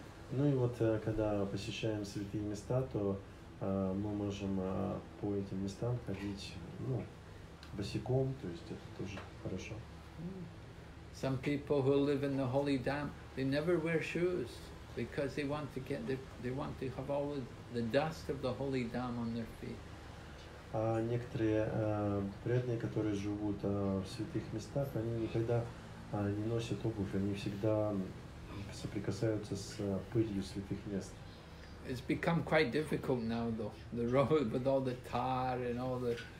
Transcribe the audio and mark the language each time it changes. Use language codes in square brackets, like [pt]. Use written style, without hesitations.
[ru] Ну и вот, когда посещаем святые места, то мы можем по этим местам ходить, ну, босиком, то есть это тоже хорошо. [en] Some people who live in the holy dam, they never wear shoes. Because they want to get they want to have all the dust of the holy dam on their feet. [ru] Некоторые преданные, которые живут в святых местах, они никогда не носят обувь, они всегда соприкасаются с пылью святых мест. [en] It's become quite difficult now, though, the road with all the tar and all the.